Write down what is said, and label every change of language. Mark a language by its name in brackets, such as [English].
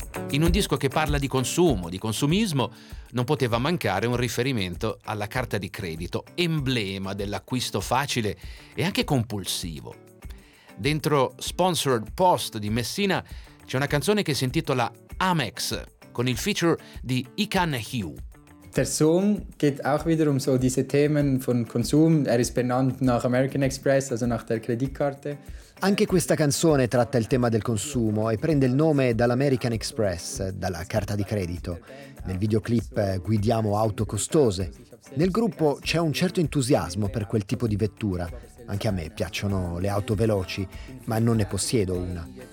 [Italian] In un disco che parla di consumo, di consumismo, non poteva mancare un riferimento alla carta di credito, emblema dell'acquisto facile e anche compulsivo. Dentro Sponsored Post di Messina c'è una canzone che si intitola Amex, con il feature di Ikan Hugh. [German] Der Song geht auch wieder um so diese Themen von Konsum. Er ist benannt nach American Express, also nach der Kreditkarte. [Italian] Anche questa canzone tratta il tema del consumo e prende il nome dall'American Express, dalla carta di credito. Nel videoclip guidiamo auto costose. Nel gruppo c'è un certo entusiasmo per quel tipo di vettura. Anche a me piacciono le auto veloci, ma non ne possiedo una.